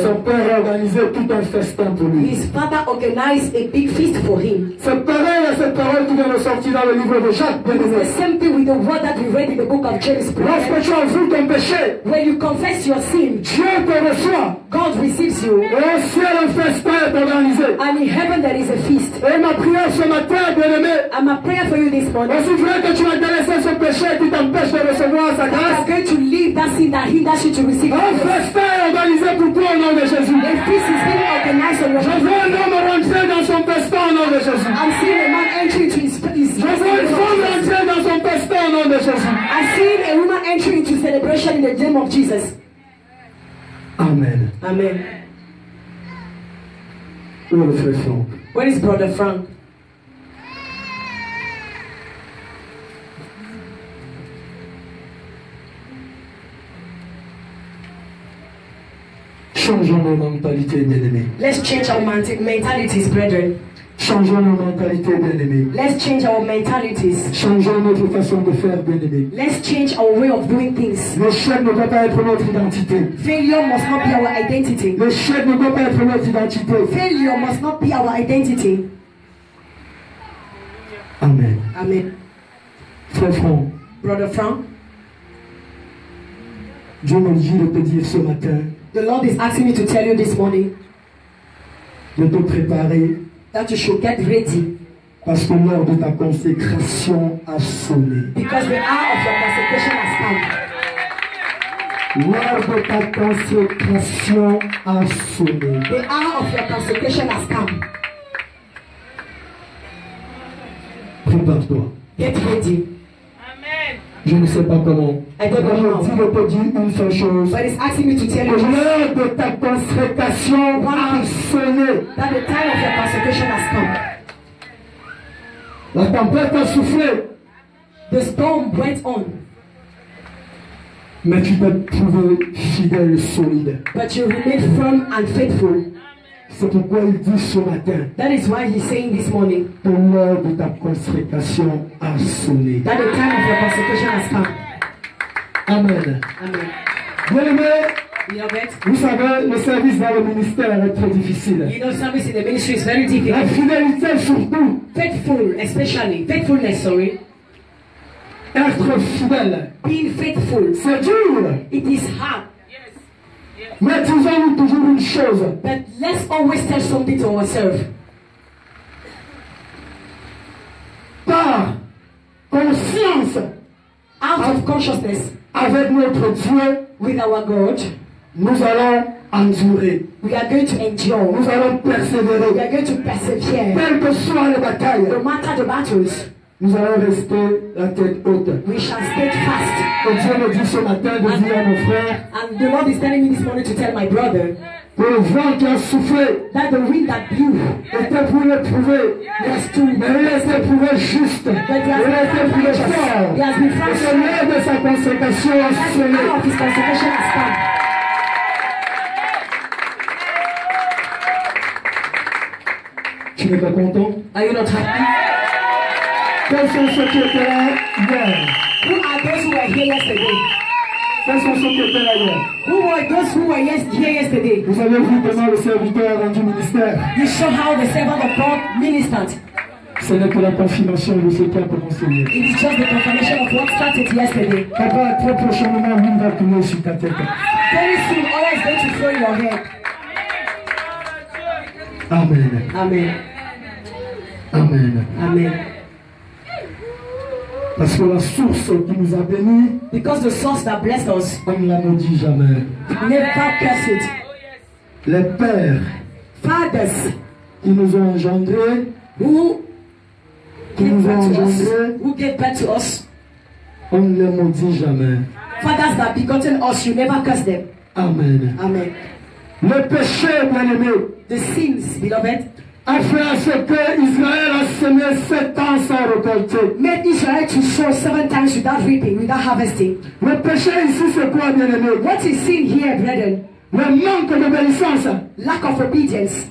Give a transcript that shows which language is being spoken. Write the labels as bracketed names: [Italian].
[French] son père a organisé tout un festin pour lui. [English] His father organized a big feast for him. [French] C'est pareil à cette parole qui vient de sortir dans le livre de Jacques. [English] It's the same thing with the word that we read in the book of James. [French] Lorsque tu avoues ton péché, [English] when you confess your sin, [French] Dieu te reçoit. [English] God receives you. [French] Et au ciel un festin est organisé. [English] And in heaven there is a feast. [French] Et ma prière ce matin, bien-aimé, [English] and my prayer for you this morning. [French] Est-ce vrai que tu as délaissé ce péché qui t'empêche de recevoir sa grâce? [English] To leave that sin that hinders you to receive. [French] Un festin organisé pour toi au nom de Jésus. [English] A feast is being organized on your [French] behalf. Je veux un homme rentrer dans son festin au nom de Jésus. [English] I'm seeing a man enter into his feast. [French] Je veux une femme rentrer dans son festin au nom de Jésus. [English] I'm seeing a woman enter into celebration in the name of Jesus. [French] Amen. [English] Amen. [French] Où est le frère Frank? [English] Where is brother Frank? [French] Changeons nos mentalités, bien-aimés. [English] Let's change our mentalities, brethren. [French] Changeons nos mentalités, bien-aimés. [English] Let's change our mentalities. [French] Changeons notre façon de faire, bien-aimés. [English] Let's change our way of doing things. [French] L'échec ne doit pas être notre identité. [English] Failure must not be our identity. [French] L'échec ne doit pas être notre identité. [English] Failure must not be our identity. [French] Amen. [English] Amen. [French] Frère Franck. [English] Brother Franck. [French] Dieu m'a dit de te dire ce matin. [English] The Lord is asking me to tell you this morning [French] de te préparer, [English] that you should get ready, [French] parce que l'heure de ta consécration a sonné. [English] Because the hour of your consecration has come. [French] L'heure de ta consécration a sonné. [English] The hour of your consecration has come. [French] Prépare-toi. [English] Get ready. [French] Je ne sais pas comment. [English] I don't know. Mais [French] je te dis une seule chose. [English] But it's asking me to tell you. [French] L'heure de ta consécration a sonné. [English] That the time of your consecration has come. [French] La tempête a soufflé. [English] The storm went on. [French] Mais tu t'es trouvé fidèle et solide. [English] But you remained firm and faithful. [French] C'est pourquoi il dit ce matin. [English] That is why he's saying this morning. [French] Que l'heure de ta consécration a sonné. [English] That the time of your consecration has come. [French] Amen. [English] Amen. [French] Bien-aimé, vous savez, le service dans le ministère est très difficile. [English] You know, service in the ministry is very difficult. [French] La fidélité surtout. [English] Faithful, especially. Faithfulness, sorry. [French] Être fidèle. [English] Being faithful. [French] C'est dur. [English] It is hard. [French] Mais disons-nous toujours une chose. [English] But let's always tell something to ourselves. [French] Par conscience. [English] Out of consciousness. [French] Avec notre Dieu. [English] With our God. [French] Nous allons endurer. [English] We are going to endure. [French] Nous allons persévérer. [English] We are going to persevere. [French] Quelle que soit la bataille. [English] No matter the battles. [French] Nous allons rester la tête haute. [English] We shall stay fast. [French] Et Dieu me dit ce matin de dire à mon frère. [English] And the Lord is telling me this morning to tell my brother. [French] Que le vent qui a soufflé. [English] That the wind that blew. [French] Était pour l'éprouver. [English] Yes, too. [French] Mais il était pour être juste. [English] But he has [French] il [English] been [French] était pour être fort. [English] He has been fresh. [French] Et l'heure de sa consécration a sonné. [English] The hour of his consecration has come. [French] Tu n'es pas content? [English] Are you not happy? [French] Quels sont ceux qui étaient là hier? [English] Who are those who were here yesterday? [French] Quels sont ceux qui étaient là hier? [English] Who were those who were here yesterday? [French] Vous avez vu comment le serviteur a rendu ministère? [English] You saw how the servant of God ministered. [French] Ce n'est que la confirmation de ce qui a commencé hier. [English] It is just the confirmation of what started yesterday. [French] Papa, très prochainement, l'une va tomber sur ta tête. [English] Very soon, all is going to fall in your head. [French] Amen. [English] Amen. [French] Amen. [English] Amen. [French] Parce que la source qui nous a bénis, [English] because the source that blessed us, [French] on ne la maudit jamais. [English] Never curse it. [French] Les pères, [English] fathers, [French] qui nous ont engendrés, [English] who gave birth to us, [French] on ne les maudit jamais. [English] Fathers that begotten us, you never curse them. [French] Amen. [English] Amen. [French] Le péché, bien-aimé, [English] the sins, beloved, [French] a fait à ce que Israël a semé 7 ans sans récolter. [English] Made Israel to sow 7 times without reaping, without harvesting. [French] Le péché ici, c'est quoi, bien-aimé? [English] What is sin here, brethren? [French] Le manque d'obéissance. [English] Lack of obedience.